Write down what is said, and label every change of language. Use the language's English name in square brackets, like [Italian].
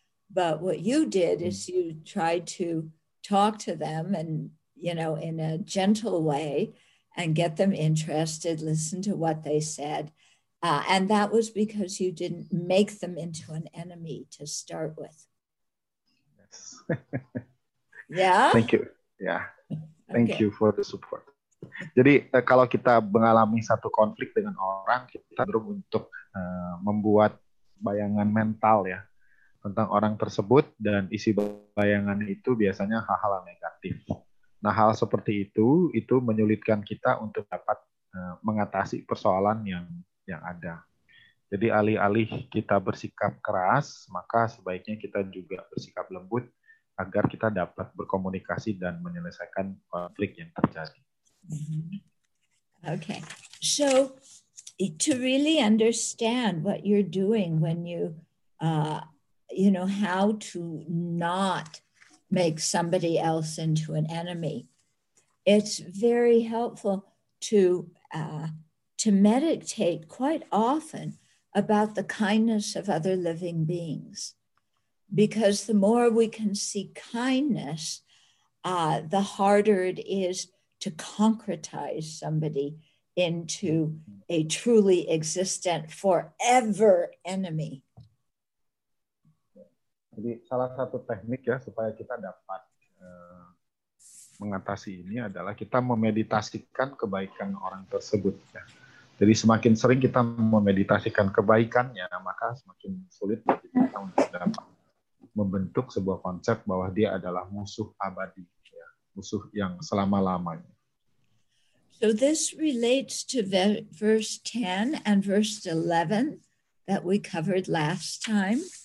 [English] But what you did is you tried to talk to them and, in a gentle way and get them interested, listen to what they said. And that was because you didn't make them into an enemy to start with. Yes. Yeah? Thank you. Yeah. Thank you for the support. [Indonesian] Jadi kalau kita mengalami satu konflik dengan orang, kita perlu untuk membuat bayangan mental ya tentang orang tersebut dan isi bayangan itu biasanya hal-hal negatif. Nah, hal seperti itu menyulitkan kita untuk dapat mengatasi persoalan yang ada. Jadi alih-alih kita bersikap keras, maka sebaiknya kita juga bersikap lembut agar kita dapat berkomunikasi dan menyelesaikan konflik yang terjadi. [English] Okay, so to really understand what you're doing when you, how to not make somebody else into an enemy, it's very helpful to meditate quite often about the kindness of other living beings. Because the more we can see kindness, the harder it is to concretize somebody into a truly existent forever enemy. [Indonesian] Jadi salah satu teknik ya supaya kita dapat mengatasi ini adalah kita memeditasikan kebaikan orang tersebut ya. Jadi semakin sering kita memeditasikan kebaikannya, maka semakin sulit kita untuk dapat membentuk sebuah konsep bahwa dia adalah musuh abadi, ya, musuh yang selama-lamanya. [English] So this relates to verse 10 and verse 11 that we covered last time.